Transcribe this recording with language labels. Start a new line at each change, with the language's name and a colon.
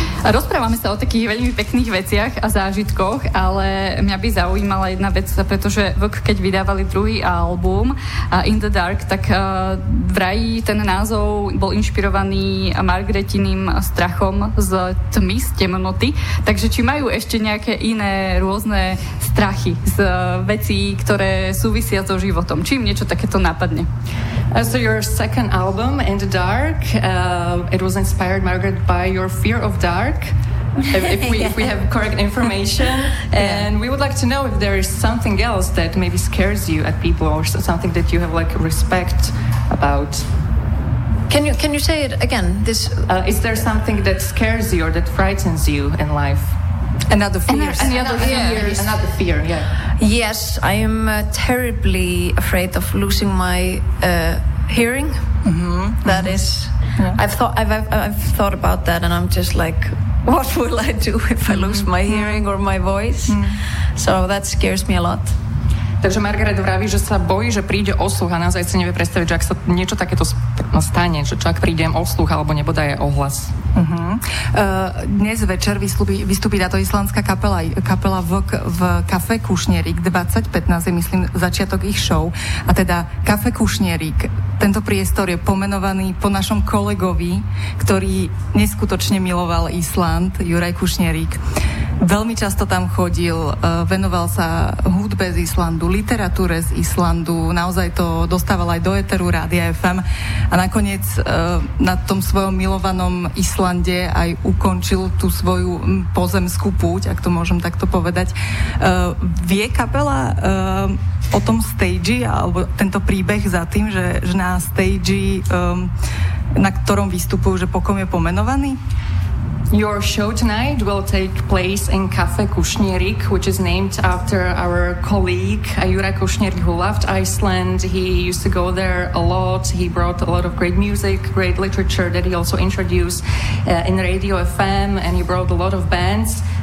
Slovak: Rozprávame sa o takých veľmi pekných veciach a zážitkoch, ale mňa by zaujímala jedna vec, pretože Vuk, keď vydávali druhý album In the Dark, tak vraj ten názov bol inšpirovaný Margaretiným strachom z tmy, z temnoty, takže či majú ešte nejaké iné rôzne strachy z vecí, ktoré súvisia so životom? Či im niečo takéto napadne?
English: So your second album, In the Dark, it was inspired, Margaret, by your fear of dark, if we have correct information. And we would like to know if there is something else that maybe scares you at people or something that you have like respect about. Can you say it again? This Is there something that scares you or that frightens you in life? Another fear. Yes, I am terribly afraid of losing my hearing. Mm-hmm. That mm-hmm. is, yeah. I've thought about that, and I'm just like, what will I do if I lose mm-hmm. my hearing or my voice? Mm. So that scares me a lot.
Slovak: Takže Margaret vraví, že sa bojí, že príde o sluch a naozaj si nevie predstaviť, že ak sa niečo takéto stane, že čo ak prídem o sluch alebo nebodaj o hlas. Uh-huh. Dnes večer vystúpi táto islandská kapela Vok v Café Kušnierik 2015 je myslím začiatok ich show a teda Café Kušnierik, tento priestor je pomenovaný po našom kolegovi, ktorý neskutočne miloval Island, Juraj Kušnierik. Veľmi často tam chodil, venoval sa hudbe z Islandu, literatúre z Islandu, naozaj to dostával aj do éteru Rádia FM a nakoniec na tom svojom milovanom Islande aj ukončil tú svoju pozemskú púť, ak to môžem takto povedať. Vie kapela o tom stage, alebo tento príbeh za tým, že na stage, na ktorom vystupujú, že po kom je pomenovaný?
English: Your show tonight will take place in Café Kušnierik, which is named after our colleague Juraj Kušnierik, who loved Iceland. He used to go there a lot. He brought a lot of great music, great literature that he also introduced in Radio FM, and he brought a lot of bands.